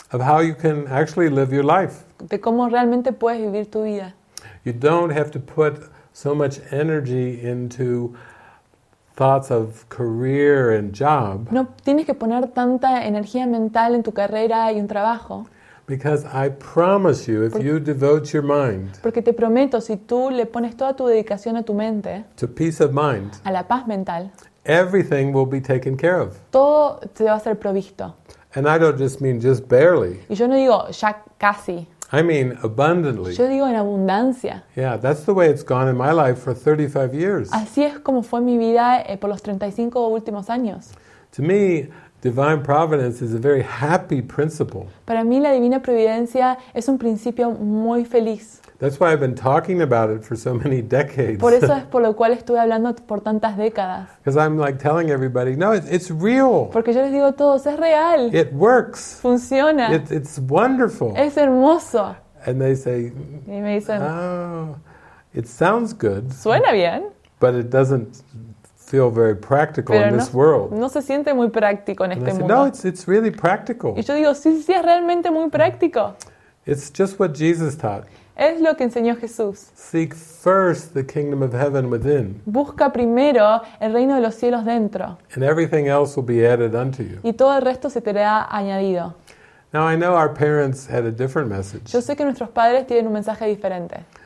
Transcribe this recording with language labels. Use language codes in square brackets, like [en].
[en] Of how you can actually live your life. [es] De cómo realmente puedes vivir tu vida. [en] You don't have to put so much energy into thoughts of career and job. [es] No tienes que poner tanta energía mental en tu carrera y un trabajo. [en] Because I promise you, if you devote your mind. [es] Porque te prometo, si tú le pones toda tu dedicación a tu mente. [en] To peace of mind. [es] A la paz mental. [en] Everything will be taken care of. [es] Todo te va a ser provisto. [en] And I don't just mean just barely. [es] Y yo no digo ya casi. [en] I mean abundantly. [es] Yo digo en abundancia. [en] Yeah, that's the way it's gone in my life for 35 years. [es] Así es como fue mi vida por los 35 últimos años. [en] To me, divine providence is a very happy principle. [es] Para mí la divina providencia es un principio muy feliz. [en] That's why I've been talking about it for so many decades. [es] Por eso es por lo cual estuve hablando por tantas décadas. [en] Because I'm like telling everybody, no, it's real. [es] Porque yo les digo a todos, es real. [en] It works. [es] Funciona. [en] It's wonderful. [es] Es hermoso. [en] And they say, [es] y me dicen, [en] oh, it sounds good. [es] Suena bien. [en] But it doesn't feel very practical [es] pero [en] in this world. [es] No se siente muy práctico en [en] and [es] este [en] say, [es] mundo. [en] No, it's really practical. [es] Y yo digo, sí, sí, es realmente muy práctico. [en] It's just what Jesus taught. [es] Es lo que enseñó Jesús. [en] Seek first the kingdom of heaven within. [es] Busca primero el reino de los cielos dentro. [en] And everything else will be added unto you. [es] Y todo el resto se te será añadido. [en] Now I know our parents had a different message. [es] Yo sé que nuestros padres tienen un mensaje diferente.